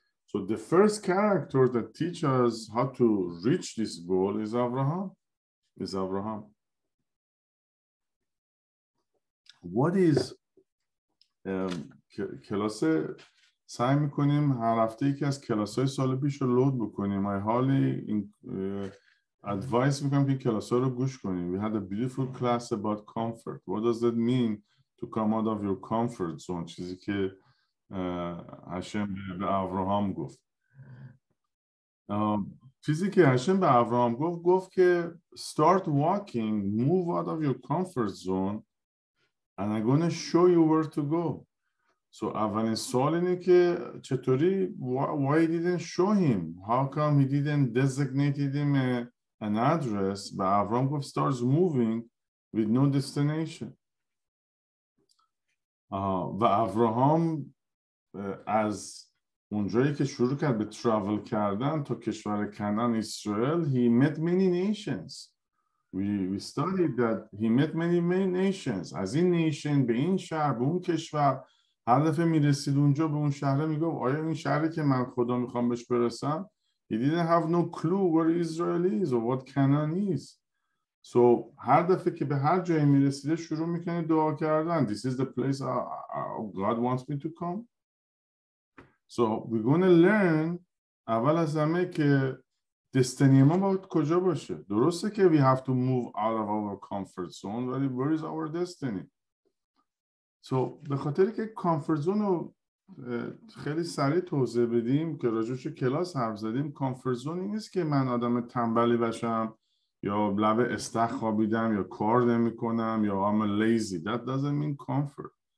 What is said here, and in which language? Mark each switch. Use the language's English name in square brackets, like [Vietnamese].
[English] So the first character that teaches us how to reach this goal is Abraham. Is Abraham. What is [Persian] کلاس سعی میکنیم هر هفته یکی از کلاس های سال پیش رو لود بکنیم. [English] I highly advise [Persian] میکنم که کلاس ها رو گوش کنیم. [English] We had a beautiful class about comfort. What does that mean to come out of your comfort zone? [Persian] چیزی که هاشم به ابراهام گفت. [English] چیزی که هاشم به ابراهام گفت گفت که start walking, move out of your comfort zone and I'm going to show you where to go. So [Persian] اولین سوال اینه که چطوری, [English] why he didn't show him? How come he didn't designate him an address? [Persian] به ابراهام گفت [English] start moving with no destination. [Persian] و ابراهام از اونجایی که شروع کرد به travel کردن تا کشور کنعان اسرائیل, [English] he met many nations. We studied that he met many nations. [Persian] از این nation به این شهر به اون کشور, هر دفعه میرسید اونجا به اون شهره میگفت آیا این شهری که من خدا میخوام بهش برسم. [English] He didn't have no clue where Israel is or what Canaan is. [Persian] So هر دفعه که به هر جایی میرسیده شروع میکنه دعا کردن. [English] This is the place God wants me to come. So we're going to learn [Persian] اول از همه که destiny ما باید کجا باشه. درسته که [English] we have to move out of our comfort zone, but where is our destiny? [Persian] So به خاطر که comfort zone رو خیلی سریع توضیح بدیم که راجعش کلاس حرف زدیم, comfort zone نیست که من آدم تنبلی بشم یا لب استخ خوابیدم یا کار نمی کنم یا [English] I'm lazy. That doesn't mean comfort.